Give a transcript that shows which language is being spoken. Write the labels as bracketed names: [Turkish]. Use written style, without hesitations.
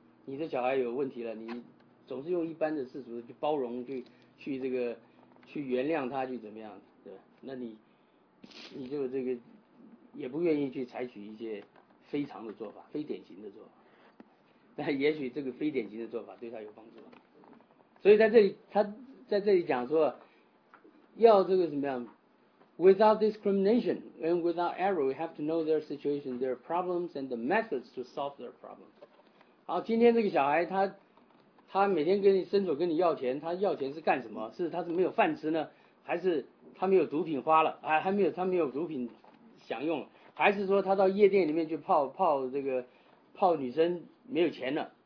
[Chinese] 你的小孩有问题了，你总是用一般的世俗去包容，去这个去原谅他，去怎么样，对吧？那你就这个也不愿意去采取一些非常的做法，非典型的做法。那也许这个非典型的做法对他有帮助。所以在这里，他在这里讲说，要这个什么样 [English] ，without discrimination and without error, we have to know their situation, their problems, and the methods to solve their problems。 [Chinese] 好，今天这个小孩他每天跟你伸手跟你要钱，他要钱是干什么？是他是没有饭吃呢，还是他没有毒品花了？还没有他没有毒品享用了？还是说他到夜店里面去泡这个泡女生没有钱了？